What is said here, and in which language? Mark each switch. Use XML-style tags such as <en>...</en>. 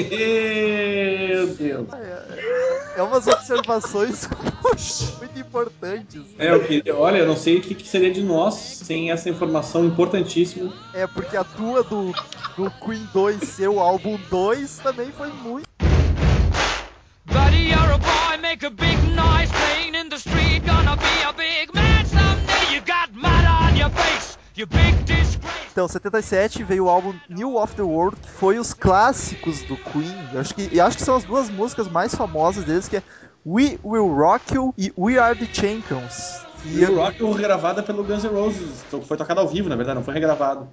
<pt>Meu Deus. É umas observações muito importantes. É, eu não sei o que seria de nós sem essa informação importantíssima. É, porque a tua do Queen 2, seu álbum 2, também foi muito...</pt> <en>Buddy, you're a boy, make a big noise, playing in the street, gonna be a big man someday, you got mud on your face.</en> <pt>Então, 77 veio o álbum New of the World, que foi os clássicos do Queen. Eu acho que são as duas músicas mais famosas deles, que é We Will Rock You e We Are the Champions. E o Rock regravada pelo Guns N' Roses. Foi tocado ao vivo, na verdade, não foi regravado.</pt>